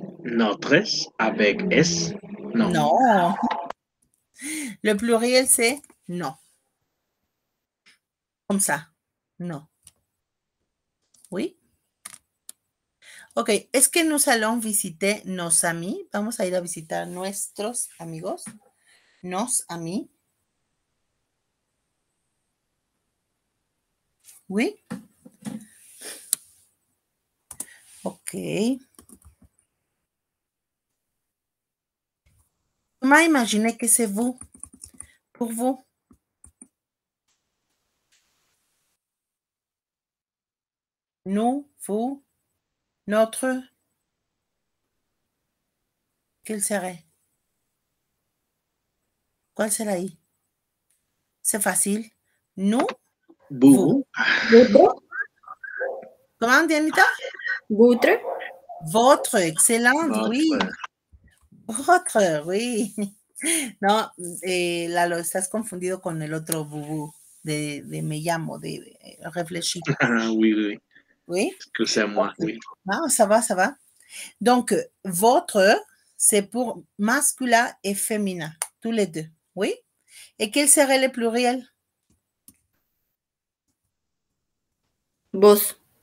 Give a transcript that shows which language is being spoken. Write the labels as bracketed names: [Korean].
[French] Notre avec S, non. Non. Le pluriel, c'est non. Comme ça. Non. Oui. OK. Est-ce que nous allons visiter nos amis? [Spanish] Vamos a ir a visitar nuestros amigos. [French] Nos amis. Oui. OK. Comment imaginez que c'est vous? Pour vous. Nous, vous, notre, quel serait? Quoi serait? C'est facile. Nous, vous. Bougou. Votre. Comment, Dianita? Votre. Votre, excellent, Votre. oui. Votre, oui. [Spanish] No, Lalo, estás confundido con el otro bubú de me llamo, de Reflexico. [French] Oui. ¿Oui? Que c'est moi, Okay. oui. Ah, ça va, ça va. Donc, votre, c'est pour masculin et féminin, tous les deux. Oui? Et quel serait le pluriel? Vos.